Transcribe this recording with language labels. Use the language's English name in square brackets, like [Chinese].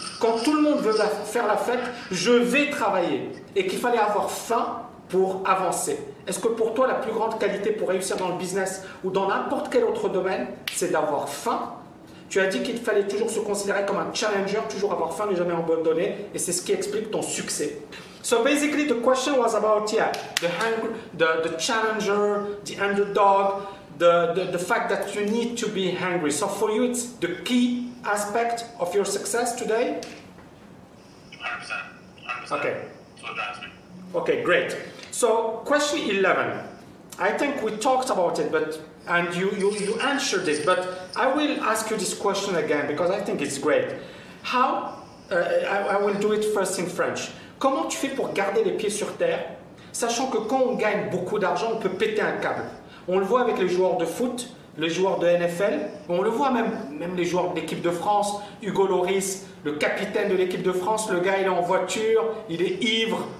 [French] Quand tout le monde veut faire la fête, je vais travailler. Et qu'il fallait avoir faim pour avancer. Est-ce que pour toi, la plus grande qualité pour réussir dans le business ou dans n'importe quel autre domaine, c'est d'avoir faim? Tu as dit qu'il fallait toujours se considérer comme un challenger, toujours avoir faim, ne jamais abandonner. Et c'est ce qui explique ton succès. [English] So basically, the question was about, yeah, the hunger, the challenger, the underdog. The fact that you need to be hungry. So for you, it's the key aspect of your success today? 100%. Okay. So that's me. Okay, great. So question 11. I think we talked about it, and you answered this, but I will ask you this question again because I think it's great. How, I will do it first in French. [French] Comment tu fais pour garder les pieds sur terre, sachant que quand on gagne beaucoup d'argent, on peut péter un câble? On le voit avec les joueurs de foot, les joueurs de NFL, on le voit même les joueurs de l'équipe de France, Hugo Lloris, le capitaine de l'équipe de France, le gars il est en voiture, il est ivre.